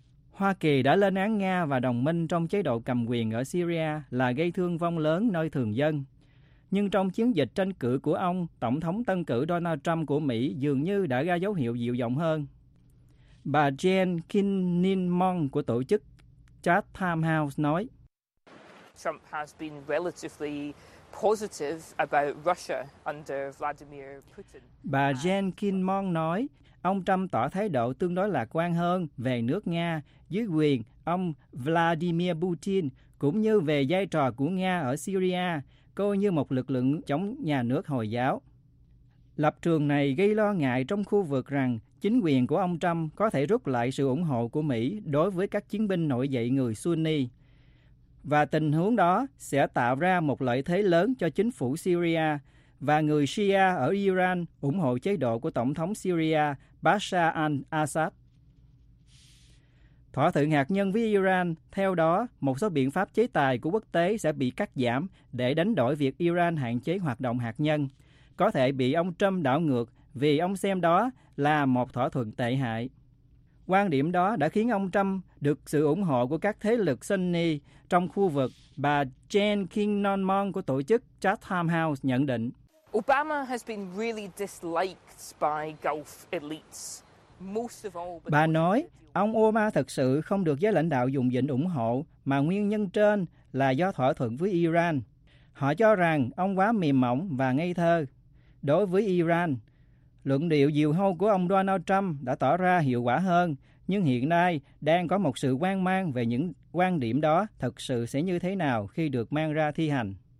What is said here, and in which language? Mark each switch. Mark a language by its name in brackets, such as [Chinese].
[Vietnamese] Hoa Kỳ đã lên án Nga và đồng minh trong chế độ cầm quyền ở Syria là gây thương vong lớn nơi thường dân. Nhưng trong chiến dịch tranh cử của ông, Tổng thống tân cử Donald Trump của Mỹ dường như đã ra dấu hiệu dịu giọng hơn. Bà Jen Kinnimon của tổ chức Chatham House nói, [English] Trump has been relatively positive about Russia under Vladimir Putin. [Vietnamese] Bà Jen Kinnimon nói, ông Trump tỏ thái độ tương đối lạc quan hơn về nước Nga dưới quyền ông Vladimir Putin, cũng như về vai trò của Nga ở Syria, coi như một lực lượng chống nhà nước Hồi giáo. Lập trường này gây lo ngại trong khu vực rằng chính quyền của ông Trump có thể rút lại sự ủng hộ của Mỹ đối với các chiến binh nổi dậy người Sunni. Và tình huống đó sẽ tạo ra một lợi thế lớn cho chính phủ Syria và người Shia ở Iran ủng hộ chế độ của Tổng thống Syria Bashar al-Assad. Thỏa thuận hạt nhân với Iran, theo đó, một số biện pháp chế tài của quốc tế sẽ bị cắt giảm để đánh đổi việc Iran hạn chế hoạt động hạt nhân. Có thể bị ông Trump đảo ngược vì ông xem đó là một thỏa thuận tệ hại. Quan điểm đó đã khiến ông Trump được sự ủng hộ của các thế lực Sunni trong khu vực, bà Jen Kinnamon của tổ chức Chatham House nhận định. [English] Obama has been really disliked by Gulf elites. [Vietnamese] Bà nói, ông Obama thực sự không được giới lãnh đạo vùng vịnh ủng hộ, mà nguyên nhân trên là do thỏa thuận với Iran. Họ cho rằng ông quá mềm mỏng và ngây thơ. Đối với Iran, luận điệu diều hâu của ông Donald Trump đã tỏ ra hiệu quả hơn, nhưng hiện nay đang có một sự hoang mang về những quan điểm đó thực sự sẽ như thế nào khi được mang ra thi hành.